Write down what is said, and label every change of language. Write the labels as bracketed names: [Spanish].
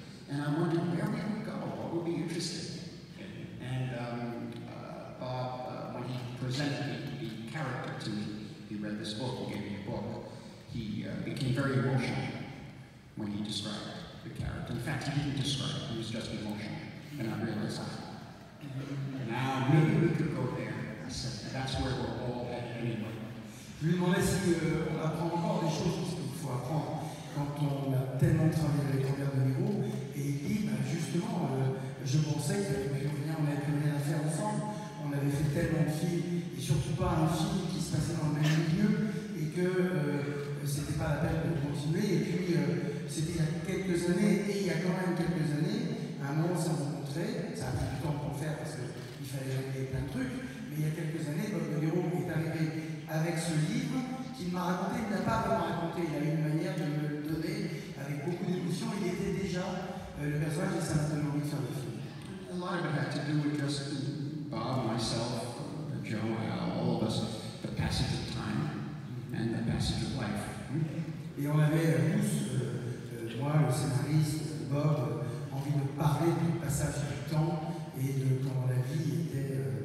[English] And I wondered, where can we go? What would be interesting? And Bob, when he presented the character to me, he read this book, he gave me a book, he became very emotional when he described the character. In fact, he didn't describe it, he was just emotional. And I realized, now maybe we could go there. I said, that's where we're all at anyway. [French] Je lui demandais si on apprend encore des choses, parce qu'il faut apprendre. Quand on a tellement travaillé avec Robert De Niro, et il dit, bah justement, je pensais que on avait plus rien à faire ensemble, on avait fait tellement de films, et surtout pas un film qui se passait dans le même milieu, et que c'était pas la peine de continuer. Et puis, c'était il y a quelques années, et il y a quand même quelques années, un moment, on s'est rencontré, ça a pris du temps pour le faire parce qu'il fallait régler plein de trucs, mais il y a quelques années, Bob De Niro est arrivé avec ce livre qu'il m'a raconté, il n'a pas vraiment raconté, il a eu une manière de me le donner avec beaucoup d'émotion, il était déjà le personnage de Saint-Denis de faire le film. [English] A lot of it had to do with just Bob, myself, Joe, all of us, the passage of time and the passage of life. [French] Et on avait tous, moi, le scénariste, Bob, envie de parler du passage du temps et de comment la vie était.